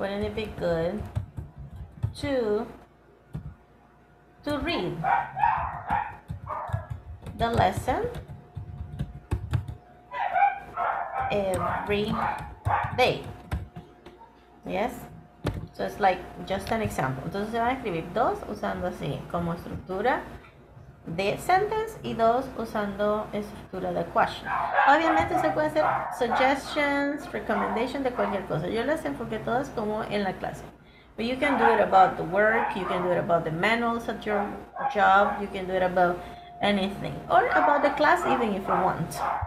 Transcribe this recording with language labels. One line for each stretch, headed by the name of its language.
English: wouldn't it be good to read the lesson every day? Yes? So it's like just an example.
Spanish: Entonces se van a escribir dos usando así como estructura de sentence y dos usando estructura de question. Obviamente se pueden hacer suggestions, recommendations, de cualquier cosa. Yo las enfoqué todas como en la clase.
English: But you can do it about the work, you can do it about the manuals at your job, you can do it about anything. Or about the class even if you want.